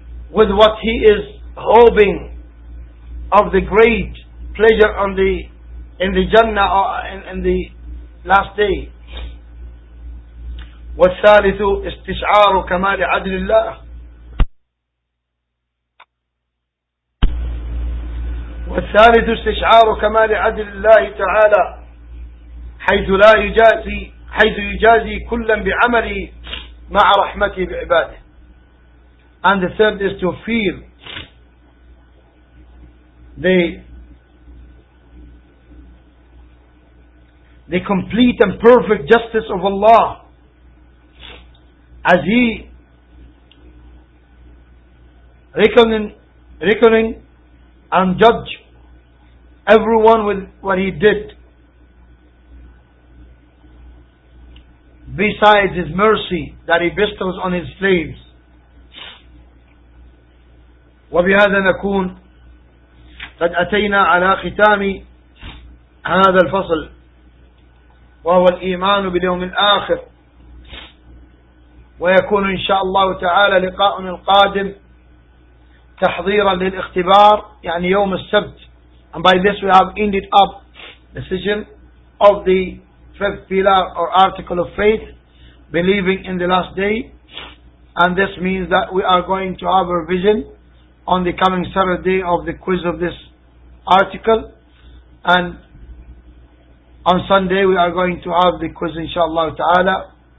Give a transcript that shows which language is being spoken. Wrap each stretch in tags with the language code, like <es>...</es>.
<en>With what he is hoping of the great pleasure on the in the Jannah or in the last day.</en> <ar>والثالث استشعار كمال عدل الله. والثالث استشعار كمال عدل الله تعالى حيث لا يجازي، حيث يجازي كلا بعمله مع رحمته بعباده.</ar> <en>And the third is to feel the complete and perfect justice of Allah as he reckoning and judge everyone with what he did besides his mercy that he bestows on his slaves.</en> <ar>وبهذا نكون قد أتينا على ختام هذا الفصل، وهو الإيمان باليوم الآخر. ويكون إن شاء الله تعالى لقاؤنا القادم تحضيرا للاختبار، يعني يوم السبت.</ar> <en>And by this we have ended up the session of the fifth pillar or article of faith, believing in the last day. And this means that we are going to have a revision on the coming Saturday of the quiz of this article, and on Sunday we are going to have the quiz inshallah ta'ala.</en>